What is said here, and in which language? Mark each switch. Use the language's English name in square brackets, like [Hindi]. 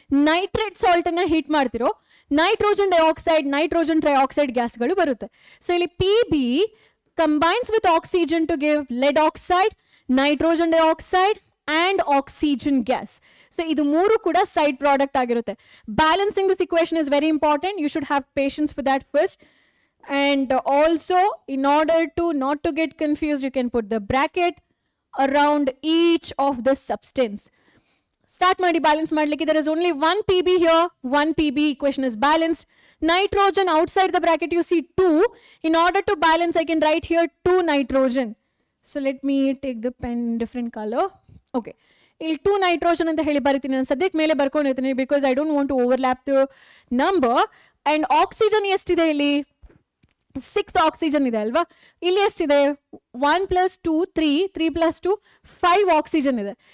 [Kannada] Nitrate salt ಅನ್ನ heat ಮಾಡ್ತಿರೋ nitrogen dioxide, nitrogen trioxide ಗ್ಯಾಸ್ಗಳು ಬರುತ್ತೆ. [English] So ಇಲ್ಲಿ Pb combines with oxygen to give lead oxide, nitrogen dioxide and oxygen gas. So [Kannada] ಇದು ಮೂರು ಕೂಡ side product ಆಗಿರುತ್ತೆ. [English] Balancing this equation is very important. You should have patience for that first. And also, in order to not to get confused, you can put the bracket around each of the substance. [Kannada] Start madi balance madlike, [English] there is only one Pb here, one Pb equation is balanced. Nitrogen outside the bracket, you see 2. In order to balance, I can write here 2 nitrogen. So let me take the pen in different color. Okay. [Kannada] ಇಲ್ಲಿ 2 nitrogen ಅಂತ ಹೇಳಿ ಬರೀತೀನಿ, ನಾನು ಸದ್ಯಕ್ಕೆ ಮೇಲೆ ಬರ್ಕೊಂಡಿರ್ತೀನಿ, [English] Because I don't want to overlap the number. [Kannada] And oxygen ಎಷ್ಟಿದೆ ಇಲ್ಲಿ, 6th oxygen ಇದೆ ಅಲ್ವಾ. ಇಲ್ಲಿ ಎಷ್ಟಿದೆ, 1 + 2 = 3, 3 + 2 = 5 ಆಕ್ಸಿಜನ್ ಇದೆ.